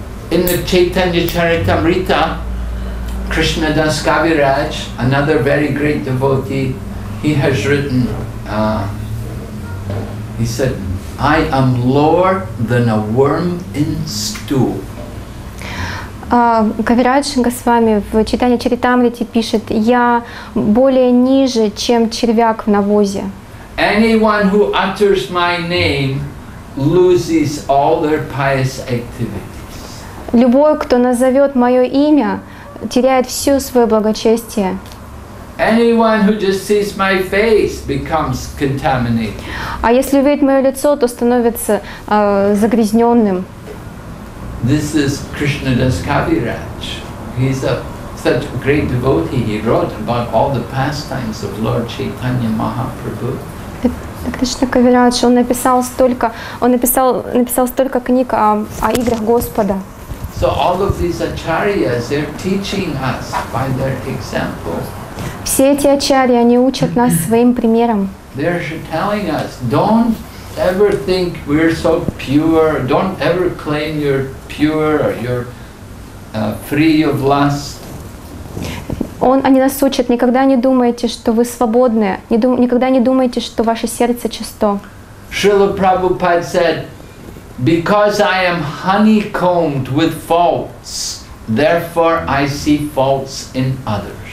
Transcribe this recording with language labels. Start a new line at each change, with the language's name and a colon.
English: In the Chaitanya Charitamrita, Krishna Das Kaviraj, another very great devotee, he has written, he said, I am lower than a worm in stew.
Russian: Кавирадж Госвами в Читании Чаритамрити пишет, я более ниже, чем червяк в навозе.
English: Anyone who utters my name loses all their pious activities.
Russian: Любой, кто назовет мое имя, теряет все свое благочестие.
English: Anyone who just sees my face becomes contaminated.
Russian: А если увидит мое лицо, то становится загрязненным.
English: This is Krishna Das Kaviraj. He's a such great devotee. He wrote about all the pastimes of Lord Chaitanya Mahaprabhu.
Russian: Кришна Кавирадж, он написал столько книг о играх Господа.
English: So all of these acharyas, they're teaching us by their example.
Russian: Все эти ачарьи, они учат нас своим примером.
English: They're telling us, don't ever think we're so pure, don't ever claim you're pure or you're free of lust.
Russian: Они нас учат, никогда не думайте, что вы свободны, никогда не думайте, что ваше сердце чисто. Шрила Прабхупада said, because I am honeycombed with faults, therefore I see faults in others.